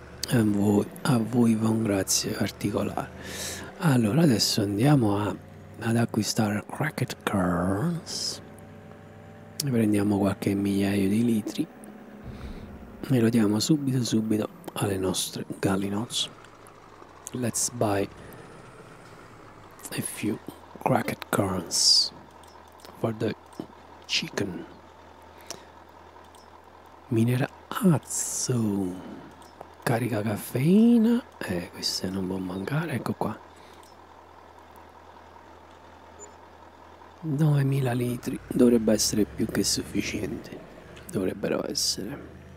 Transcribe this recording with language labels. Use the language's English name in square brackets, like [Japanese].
[Italian] A voi va un grazie particolare. Allora, adesso andiamo ad acquistare cracked corns. Prendiamo qualche migliaio di litri e lo diamo subito alle nostre gallinozze. [English] Let's buy a few cracked corns for the chicken. [Italian] Minerazzo, carica caffeina, queste non può mancare. Ecco qua, 9000 litri dovrebbe essere più che sufficiente, dovrebbero essere.